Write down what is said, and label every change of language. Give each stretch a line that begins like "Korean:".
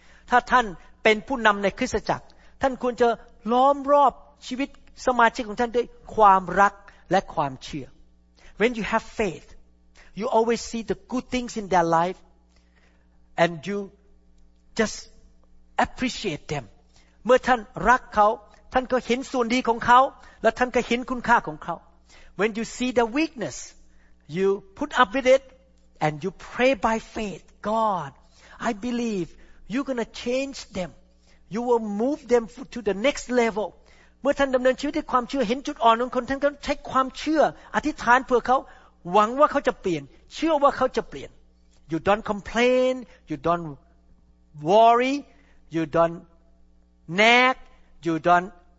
Thai: ถ้าท่านเป็นผู้นำในคริสตจักรท่านควรจะล้อมรอบชีวิตสมาชิกของท่านด้วยความรักและความเชื่อ
English: When you have faith, you always see the good things in their life, and you just appreciate them.
Thai: เมื่อท่านรักเขาท่านก็เห็นส่วนดีของเขาและท่านก็เห็นคุณค่าของเขา
English: When you see their weakness, you put up with it, and you pray by faith, God, I believe you're gonna change them. You will move them to the next level.
Thai: เมื่อท่านดำเนินชีวิตด้วยความเชื่อเห็นจุดอ่อนของคนท่านก็ใช้ความเชื่ออธิษฐานเพื่อเขาหวังว่าเขาจะเปลี่ยนเชื่อว่าเขาจะเปลี่ยน
English: You don't complain, you don't
Thai: worry, you don't nag, you don't